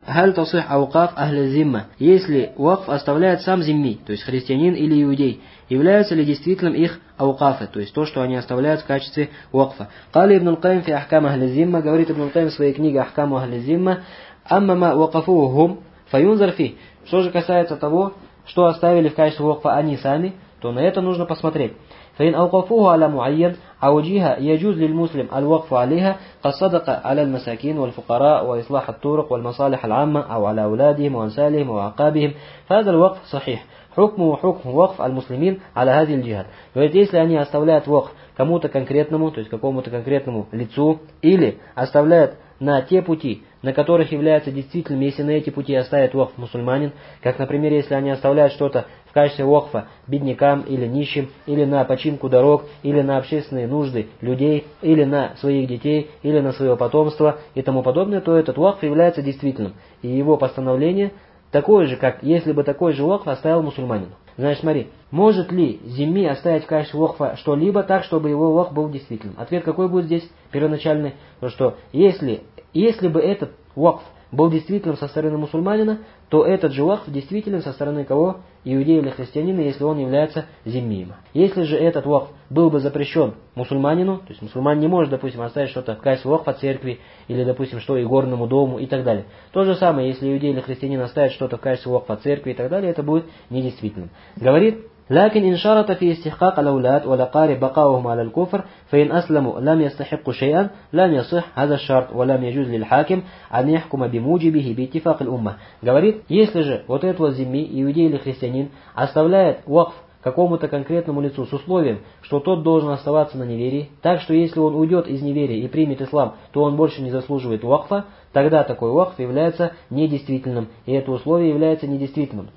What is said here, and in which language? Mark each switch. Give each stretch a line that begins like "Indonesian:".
Arabic: хал тасих авкаф ахли зимма.
Russian: Если вакф оставляет сам зимми, то есть христианин или иудей, являются ли действительным их авкафы, то есть то, что они оставляют в качестве вакфа.
Arabic: Кали ибн аль-Кайм фи ахкам ахли зимма,
Russian: говорит ибн аль-Кайм в своей книге ахкам ахли зимма,
Arabic: амма ма вакафухум файунзар фи.
Russian: Что же касается того, что оставили в качестве вакфа они сами, то на это нужно посмотреть.
Arabic: فإن أوقفوه على معين أو جهة يجوز للمسلم الوقف عليها كالصدقة على المساكين والفقراء وإصلاح الطرق والمصالح العامة أو على أولادهم وأنسالهم وأعقابهم فهذا الوقف صحيح حكم وحكم وقف المسلمين على هذه الجهات.
Russian: Говорит, если они оставляют вокф кому-то конкретному, то есть какому-то конкретному лицу, или оставляют на те пути, на которых является действительным, если на эти пути оставят вокф мусульманин, как, например, если они оставляют что-то в качестве вокфа беднякам или нищим, или на починку дорог, или на общественные нужды людей, или на своих детей, или на свое потомство и тому подобное, то этот вокф является действительным. И его постановление такое же, как если бы такой же вокф оставил мусульманин. Значит, смотри, может ли зимми оставить в качестве вокфа что-либо так, чтобы его вокф был действительным? Ответ какой будет здесь первоначальный? Потому что если бы этот вокф был действительным со стороны мусульманина, то этот же вакф действителен со стороны кого? Иудея или христианина, если он является зиммием. Если же этот вакф был бы запрещен мусульманину, то есть мусульман не может, допустим, оставить что-то в качестве вакфа церкви, или, допустим, что игорному дому и так далее. То же самое, если иудея или христианин оставит что-то в качестве вакфа церкви и так далее, это будет недействительным. Говорит...
Arabic: لكن إن شرط في استحقاق الأولاد والأقارب بقاؤهم على الكفر فإن أسلموا لم يستحقوا شيئا لم يصح هذا الشرط ولم يجوز للحاكم أن يحكم بموجبه باتفاق الأمة.
Russian: Говорит, если же вот этот вот зимми, иудей или христианин, оставляет вакф какому-то конкретному лицу с условием, что тот должен оставаться на неверии, так что если он уйдет из неверия и примет ислам, то он больше не заслуживает вакфа, тогда такой вакф является недействительным, и это условие является недействительным.